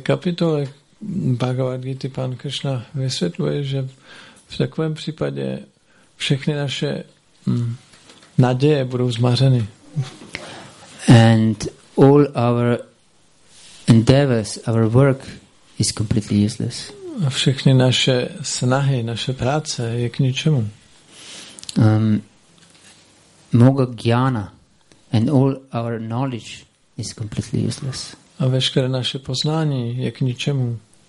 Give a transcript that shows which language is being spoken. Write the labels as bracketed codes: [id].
[cs] kapitole Bhagavad Gita pan Krishna vysvětluje, že v takovém případě všechny naše naděje budou zmařeny. [en] And all our endeavors, our work is completely useless. [cs] A všechny naše snahy, naše práce je k ničemu. [en] Moga jnana and all our knowledge is completely useless. [cs] A veškeré naše poznání je k ničemu.